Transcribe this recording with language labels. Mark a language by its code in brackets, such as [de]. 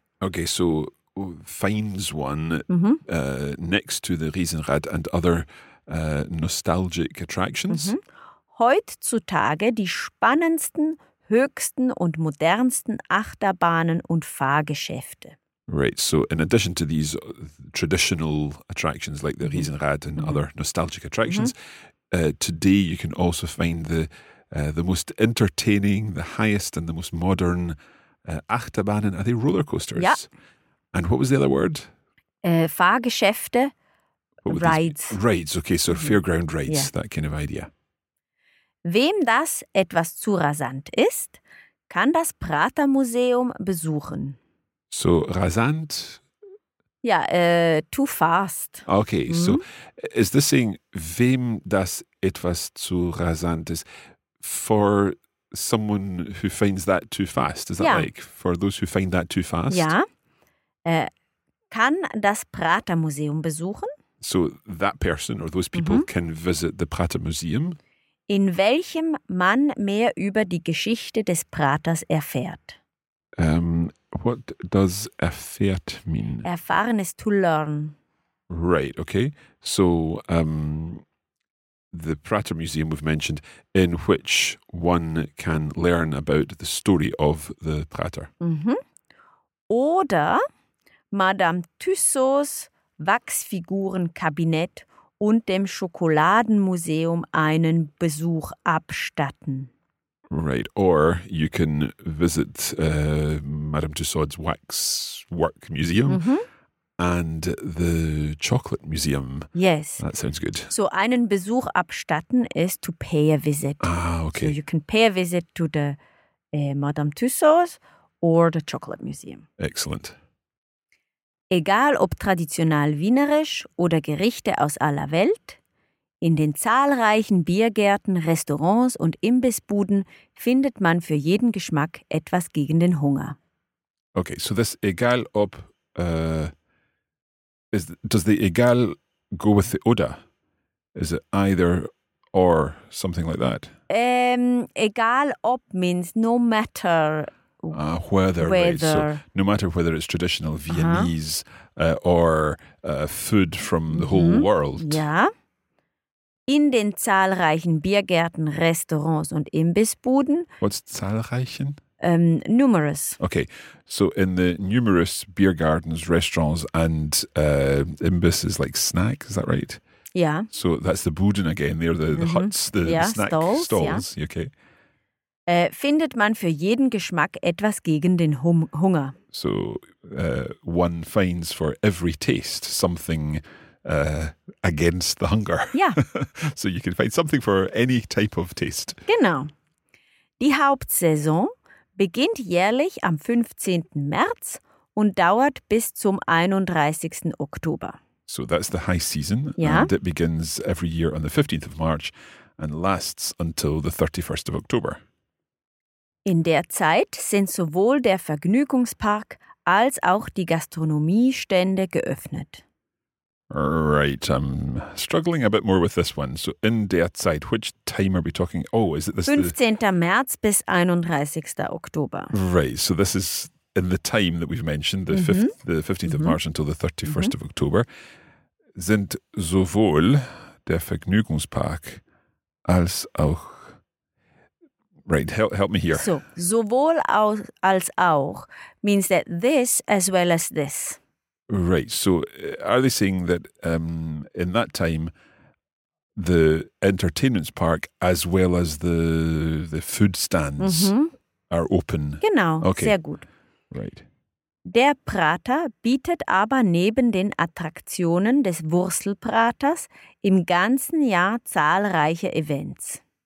[en] Okay, so finds one next to the Riesenrad and other nostalgic attractions. Mm-hmm. [de] Heutzutage die spannendsten, höchsten und modernsten Achterbahnen und Fahrgeschäfte. [en] Right, so in addition to these traditional attractions like the Riesenrad and other nostalgic attractions, today you can also find the most entertaining, the highest and the most modern Achterbahnen. Are they roller coasters? [de] Ja. [en] And what was the other word? [de] Fahrgeschäfte, rides. [en] Rides, okay, so fairground rides, yeah. That kind of idea. [de] Wem das etwas zu rasant ist, kann das Pratermuseum besuchen. [en] So, rasant? Ja, too fast. Okay, so is this saying, [de] wem das etwas zu rasant ist, [en] for someone who finds that too fast? Is that like, for those who find that too fast? [de] Ja, kann das Pratermuseum besuchen? [en] So, that person or those people can visit the Pratermuseum. [de] In welchem man mehr über die Geschichte des Praters erfährt. [en] What does erfährt mean? Erfahren is to learn. Right, okay. So, the Prater Museum we've mentioned, in which one can learn about the story of the Prater. Mm-hmm. [de] Oder Madame Tussauds Wachsfigurenkabinett und dem Schokoladenmuseum einen Besuch abstatten. [en] Right, or you can visit Madame Tussauds Wax Work Museum and the Chocolate Museum. Yes. That sounds good. So, [de] einen Besuch abstatten [en] is to pay a visit. Ah, okay. So, you can pay a visit to the Madame Tussauds or the Chocolate Museum. Excellent. [de] Egal ob traditional wienerisch oder Gerichte aus aller Welt, in den zahlreichen Biergärten, Restaurants und Imbissbuden findet man für jeden Geschmack etwas gegen den Hunger. [en] Okay, so this egal ob, does the egal go with the oder? Is it either or something like that? Egal ob means no matter whether. Right. So no matter whether it's traditional Viennese food from the whole world. [de] Yeah. In den zahlreichen Biergärten, Restaurants und Imbissbuden. [en] What's zahlreichen? Numerous. Okay, so in the numerous beer gardens, restaurants and imbiss is like snack, is that right? Yeah. So that's the Buden again, they're the huts, the snack stalls. Yeah. Okay. [de] Findet man für jeden Geschmack etwas gegen den Hunger. [en] So one finds for every taste something against the hunger. Yeah. So you can find something for any type of taste. [de] Genau. Die Hauptsaison beginnt jährlich am 15. März und dauert bis zum 31. Oktober. [en] So that's the high season. Yeah. And it begins every year on the 15th of March and lasts until the 31st of October. [de] In der Zeit sind sowohl der Vergnügungspark als auch die Gastronomiestände geöffnet. [en] Right, I'm struggling a bit more with this one. So in der Zeit, which time are we talking? Oh, is it this? [de] 15. März bis 31. Oktober. [en] Right, so this is in the time that we've mentioned, the, the 15th of March until the 31st of October. [de] Sind sowohl der Vergnügungspark als auch... [en] Right, help me here. So, sowohl als auch means that this as well as this. Right, so are they saying that in that time, the entertainment park as well as the food stands are open? [de] Genau, [en] okay. [de] Sehr gut. [en] Right. [de] Der Prater bietet aber neben den Attraktionen des Wurstelpraters im ganzen Jahr zahlreiche Events.